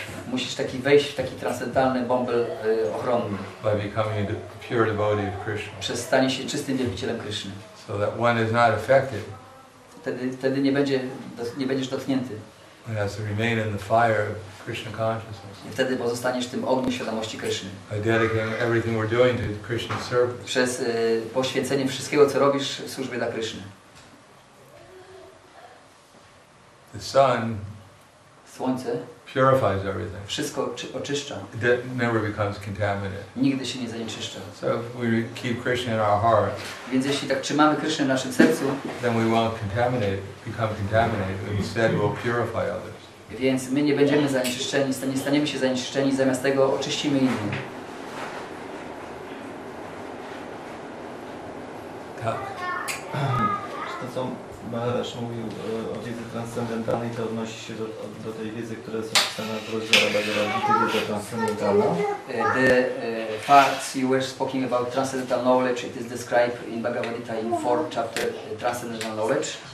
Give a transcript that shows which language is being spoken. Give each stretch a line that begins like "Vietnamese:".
Polish: Musisz taki wejść w taki transcendentalny bąbel ochronny.
English: By becoming a pure devotee of Krishna.
Polish: Przez stanie się czystym wielbicielem Kryszny.
English: So that one is not affected.
Polish: Wtedy nie będziesz dotknięty.
English: One has to remain in the fire of Krishna consciousness.
Polish: I wtedy pozostaniesz w tym ogniu świadomości Krishny.
English: By dedicating everything we're doing to Krishna's service.
Polish: Przez poświęcenie wszystkiego, co robisz, w służbie dla Krishny.
English: The sun.
Polish: Słońce.
English: Purifies everything.
Polish: Wszystko oczyszcza.
English: It never becomes contaminated.
Polish: Nigdy się nie zanieczyszcza.
English: So if we keep Krishna in our heart.
Polish: Więc jeśli tak trzymamy Krishna w naszym sercu,
English: then we won't contaminate, become contaminated. Instead, we'll purify others.
Polish: Więc my nie będziemy zanieczyszczeni, nie staniemy się zanieczyszczeni, zamiast tego oczyścimy innych. Tak. To co Maharaj mówił o wiedzy transcendentalnej, to odnosi się do tej wiedzy, która jest opisana w rozdziale Bhagavad-gita, wiedza transcendentalna.
English: The parts you were speaking about transcendental knowledge, it is described in Bhagavad-gita in 4th chapter, transcendental knowledge.